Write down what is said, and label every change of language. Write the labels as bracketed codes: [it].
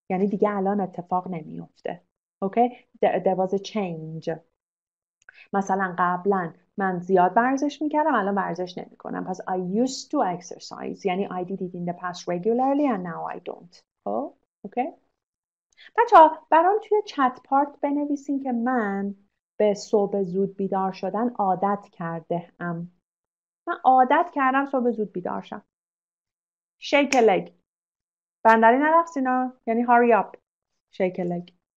[fa] یعنی دیگه الان اتفاق نمیفته. [en] Okay? There was a change. [fa] مثلا قبلا من زیاد ورزش میکردم الان ورزش نمیکنم. پس [en] I used to exercise. [fa] یعنی [en] I did it in the past regularly and now I don't. Oh, okay? [fa] بچه ها برام توی چت پارت بنویسین که من به صبح زود بیدار شدن عادت کرده ام. من عادت کردم صبح زود بیدار شم. [en] Shake a leg. [fa] بندری نرفسینا. یعنی [en] hurry up. Shake a leg.